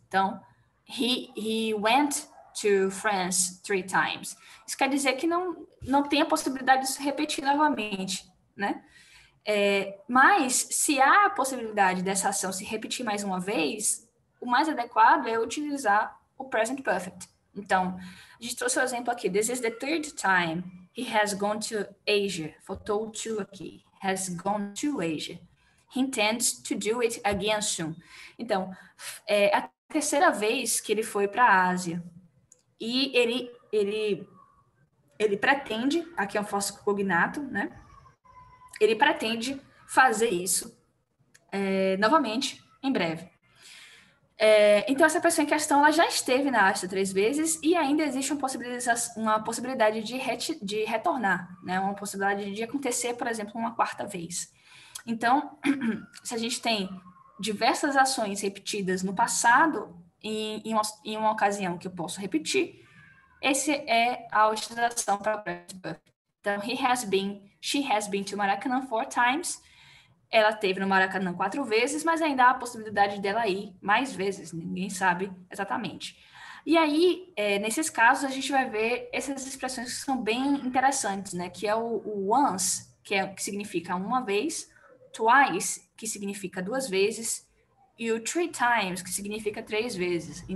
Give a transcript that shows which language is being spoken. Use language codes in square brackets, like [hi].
[en] Então, he went to France 3 times. [pt] Isso quer dizer que não tem a possibilidade de se repetir novamente, né? Mas se há a possibilidade dessa ação se repetir mais uma vez, o mais adequado é utilizar o present perfect. Então, a gente trouxe o exemplo aqui. [en] This is the third time he has gone to Asia. [pt] Faltou o to aqui. [en] Has gone to Asia. He intends to do it again soon. [pt] Então, é a terceira vez que ele foi para a Ásia. E ele pretende, aqui é um falso cognato, né? Ele pretende fazer isso novamente em breve. Então, essa pessoa em questão ela já esteve na Ásia 3 vezes e ainda existe uma possibilidade de retornar, né? Uma possibilidade de acontecer, por exemplo, uma quarta vez. Então, se a gente tem diversas ações repetidas no passado, em uma ocasião que eu posso repetir, esse é a utilização para o present perfect. [en] Então, he has been, she has been to Maracanã 4 times. [pt] Ela teve no Maracanã 4 vezes, mas ainda há a possibilidade dela ir mais vezes. Ninguém sabe exatamente. E aí, nesses casos, a gente vai ver essas expressões que são bem interessantes, né? Que é o once, que significa uma vez, twice, que significa 2 vezes, e o 3 times, que significa 3 vezes.